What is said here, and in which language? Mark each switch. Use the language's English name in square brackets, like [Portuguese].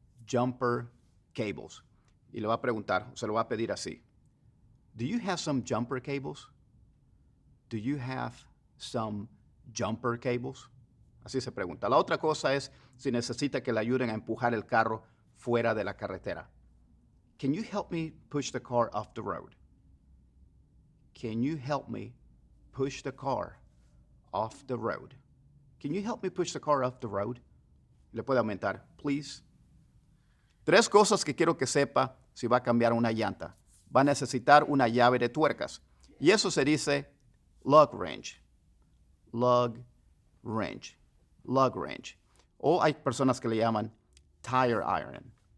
[English] Jumper cables. [Spanish] Y le va a preguntar, se lo va a pedir así. [English] Do you have some jumper cables? Do you have some jumper cables? [Spanish] Así se pregunta. La otra cosa es si necesita que le ayuden a empujar el carro fuera de la carretera. [English] Can you help me push the car off the road? Can you help me push the car off the road? Can you help me push the car off the road? [Spanish] Le puede aumentar, please. Tres cosas que quiero que sepa si va a cambiar una llanta. Va a necesitar una llave de tuercas. Y eso se dice lug wrench. [English] Lug wrench. Lug wrench. [Spanish] O hay personas que le llaman tire iron.